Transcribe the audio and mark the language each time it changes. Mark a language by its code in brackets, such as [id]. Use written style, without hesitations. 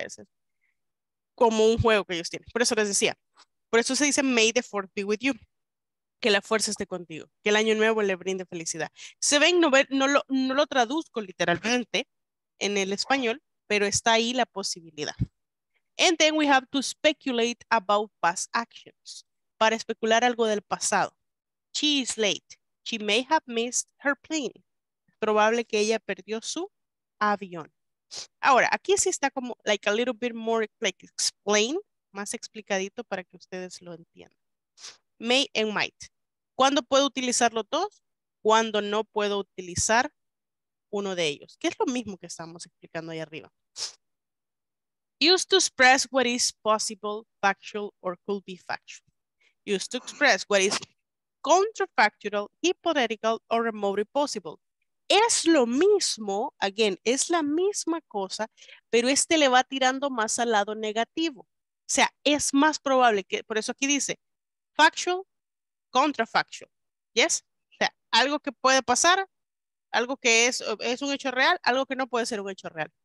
[es] Es como un juego que ellos tienen. Por eso les decía, por eso se dice [en] May the fourth be with you. [es] Que la fuerza esté contigo, que el año nuevo le brinde felicidad. Se ven, no lo traduzco literalmente en el español, pero está ahí la posibilidad. [en] And then we have to speculate about past actions. [es] Para especular algo del pasado. [en] She is late. She may have missed her plane. [es] Probable que ella perdió su avión. Ahora, aquí sí está como [en] like a little bit more like explain, [es] más explicadito para que ustedes lo entiendan. May and might. ¿Cuándo puedo utilizar los dos? ¿Cuándo no puedo utilizar uno de ellos? Que es lo mismo que estamos explicando ahí arriba. [en] Use to express what is possible, factual, or could be factual. Use to express what is counterfactual, hypothetical, or remotely possible. [es] Es lo mismo, again, es la misma cosa, pero este le va tirando más al lado negativo. O sea, es más probable que, por eso aquí dice, factual, contrafactual. ¿Yes? O sea, algo que puede pasar, algo que es un hecho real, algo que no puede ser un hecho real.